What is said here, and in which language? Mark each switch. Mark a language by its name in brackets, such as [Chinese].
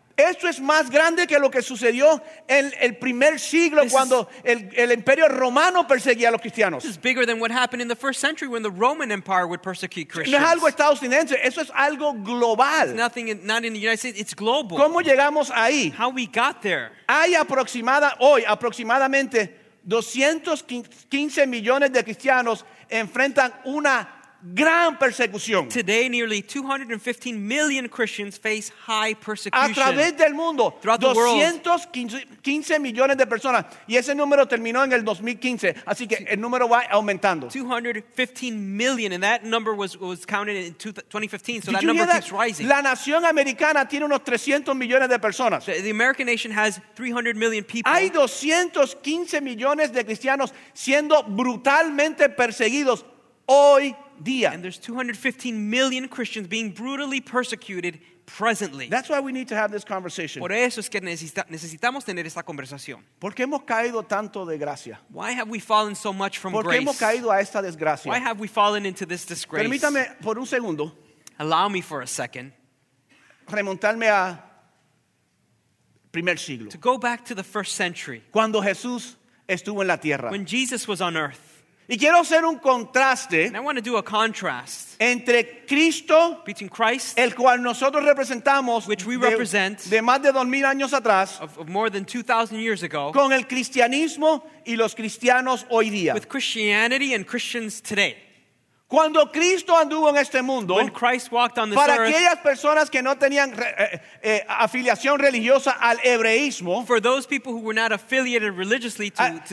[Spanish] Esto es más grande que lo que sucedió en el primer siglo cuando el Imperio Romano perseguía a los cristianos. [English] This is bigger than what happened in the first century when the Roman Empire would persecute Christians. [Spanish] No es algo estadounidense, eso es algo global. [English] It's nothing in, not in the United States, it's global. [Spanish] ¿Cómo llegamos ahí? [English] How we got there. [Spanish] Hay aproximadamente 215 millones de cristianos enfrentan una gran persecución. [English] Today, nearly 215 million Christians face high persecution. [Spanish] A través del mundo, [English] throughout the world. [Spanish] 215 millones de personas. Y ese número terminó en el 2015. Así que el número va aumentando. [English] 215 million, and that number was counted in 2015, so that number keeps rising. [Spanish] La nación americana tiene unos 300 millones de personas. [English] The American nation has 300 million people. [Spanish] Hay 215 millones de cristianos siendo brutalmente perseguidos hoy. [English] And there's 215 million Christians being brutally persecuted presently. That's why we need to have this conversation. [Spanish] Por eso es que necesitamos tener esta conversación. ¿Por qué hemos caído tanto de gracia? [English] Why have we fallen so much from grace? [Spanish] ¿Por qué hemos caído a esta desgracia? [English] Why have we fallen into this disgrace? [Spanish] Permítame por un segundo. [English] Allow me for a second. [Spanish] Remontarme a primer siglo. [English] To go back to the first century. [Spanish] Cuando Jesús estuvo en la tierra. [English] When Jesus was on earth. [Spanish] Y quiero hacer un contraste entre Cristo, [English] between Christ, [Spanish] el cual nosotros representamos, [English] which we represent, [Spanish] de más de 2,000 años atrás, [English] of more than 2,000 years ago, [Spanish] con el cristianismo y los cristianos hoy día. [English] With Christianity and Christians today. [Spanish] Cuando Cristo anduvo en este mundo, [English] when Christ walked on this [Spanish] para [English] earth, [Spanish] aquellas personas que no tenían afiliación religiosa al hebreísmo, [English] for those people who were not affiliated religiously to the Hebrews,